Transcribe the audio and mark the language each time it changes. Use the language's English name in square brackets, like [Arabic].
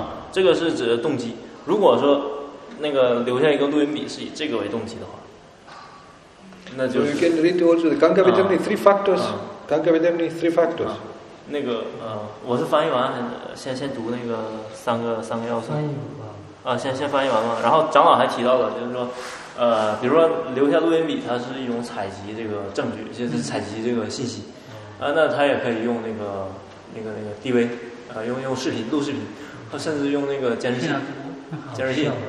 [Chinese] 那个长老说，那个这个让我读的这段就是说，就以非难攻击令困惑，这个错而已，就是不，这个是动机，动机，动机，动机是恶作呀，不是不，他这个是而往，往就是恶作，如果是他在那儿立着听，就是心多动，这个是动机，这两个是连着的，这个是指的动机，如果说。那个留下一个录音笔是以这个为动机的话，那就是 [English] you can read also the concomitantly three factors. Concomitantly three factors. [Chinese] 那个我是翻译完，先读那个三个要素。先翻译完嘛，然后长老还提到了，就是说，比如说留下录音笔，它是一种采集这个证据，就是采集这个信息。那他也可以用那个 DV 用视频录视频，甚至用那个监视器。